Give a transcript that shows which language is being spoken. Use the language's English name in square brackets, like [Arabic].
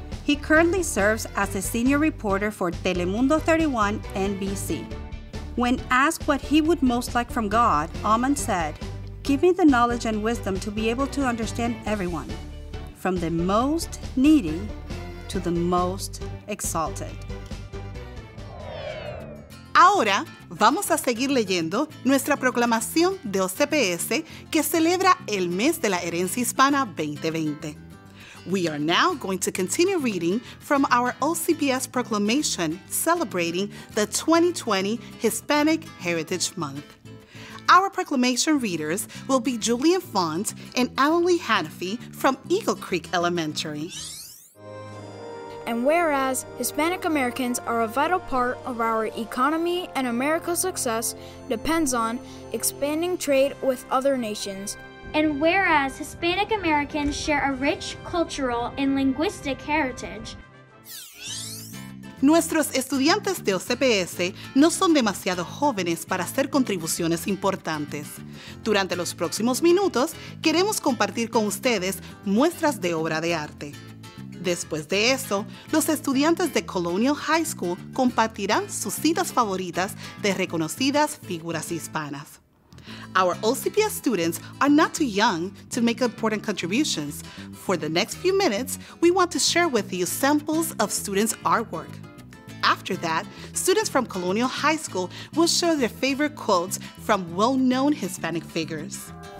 [English] He currently serves as a senior reporter for Telemundo 31 NBC. When asked what he would most like from God, Oman said, "Give me the knowledge and wisdom to be able to understand everyone, from the most needy to the most exalted." [Spanish] Ahora vamos a seguir leyendo nuestra proclamación de OCPS que celebra el mes de la herencia hispana 2020. [English] We are now going to continue reading from our OCPS proclamation celebrating the 2020 Hispanic Heritage Month. Our proclamation readers will be Julian Font and Annalie Hanafy from Eagle Creek Elementary. And whereas Hispanic Americans are a vital part of our economy and America's success depends on expanding trade with other nations. And whereas Hispanic Americans share a rich cultural and linguistic heritage. [Spanish] nuestros estudiantes de OCPS no son demasiado jóvenes para hacer contribuciones importantes. Durante los próximos minutos, queremos compartir con ustedes muestras de obra de arte. Después de eso, los estudiantes de Colonial High School compartirán sus citas favoritas de reconocidas figuras hispanas. [English] Our OCPS students are not too young to make important contributions. For the next few minutes, we want to share with you samples of students' artwork. After that, students from Colonial High School will share their favorite quotes from well-known Hispanic figures.